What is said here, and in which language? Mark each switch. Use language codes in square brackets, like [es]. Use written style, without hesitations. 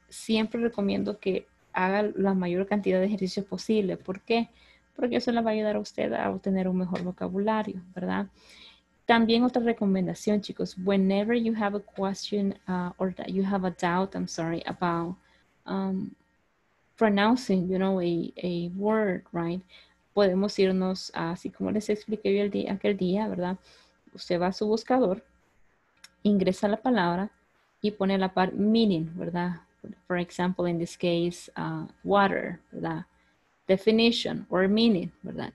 [es] Siempre recomiendo que haga la mayor cantidad de ejercicios posible. ¿Por qué? Porque eso le va a ayudar a usted a obtener un mejor vocabulario, ¿verdad? También otra recomendación, chicos. [en] Whenever you have a question or that you have a doubt, I'm sorry, about pronouncing, you know, a word, right? [es] Podemos irnos, así como les expliqué yo aquel día, ¿verdad? Usted va a su buscador, ingresa la palabra y pone a la par meaning, ¿verdad? [en] for example, in this case, water, ¿verdad? Definition or meaning, ¿verdad?